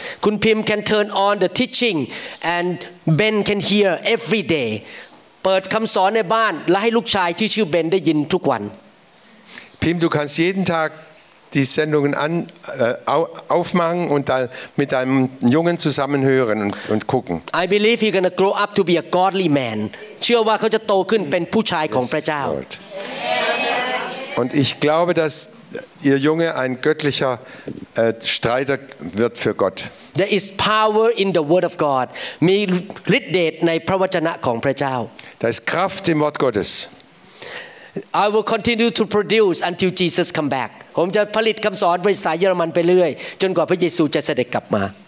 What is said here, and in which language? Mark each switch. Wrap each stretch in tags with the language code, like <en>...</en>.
<en>คุณพิมพ์ can turn on the teaching and Ben can hear every day.</en> <th>เปิดคำสอนในบ้านและให้ลูกชายที่ชื่อเบนได้ยินทุกวัน</th> <de>Pim, du kannst jeden TagDie Sendungen aufmachen und dann mit deinem Jungen zusammenhören und gucken.</de> <en>I believe he's gonna grow up to be a godly man.</en> <th>เชื่อว่าเขาจะโตขึ้นเป็นผู้ชายของพระเจ้า</th> <de>Und ich glaube, dass ihr Junge ein göttlicher Streiter wird für Gott.</de> <en>There is power in the Word of God.</en> <th>มีฤทธิ์เดชในพระวจนะของพระเจ้า</th> <de>Da ist Kraft im Wort Gottes.</de> <en>I will continue to produce until Jesus come back.</en> <th>ผมจะผลิตคำสอนภาษาเยอรมันไปเรื่อยจนกว่าพระเยซูจะเสด็จกลับมา</th>